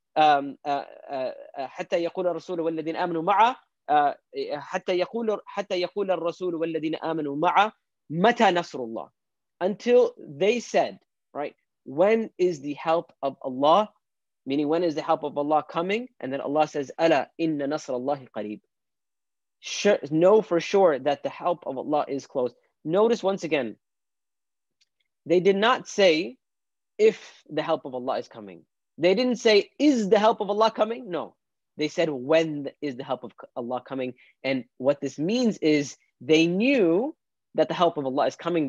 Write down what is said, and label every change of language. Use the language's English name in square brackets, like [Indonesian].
[Arabic] حَتَّى يَقُولَ الرَّسُولُ وَالَّذِينَ آمَنُوا مَعَ. حَتَّى يَقُولَ الرَّسُولُ وَالَّذِينَ آمَنُوا مَعَ. مَتَى نَصْرُ اللَّهِ. [English] Until they said, right, when is the help of Allah? Meaning, when is the help of Allah coming? And then Allah says, [Arabic] أَلَا إِنَّ نَصْرَ اللَّهِ قَرِيبٌ. [English] Know for sure that the help of Allah is close. Notice once again, they did not say, if the help of Allah is coming. They didn't say, is the help of Allah coming? No. They said, when is the help of Allah coming? And what this means is, they knew that the help of Allah is coming.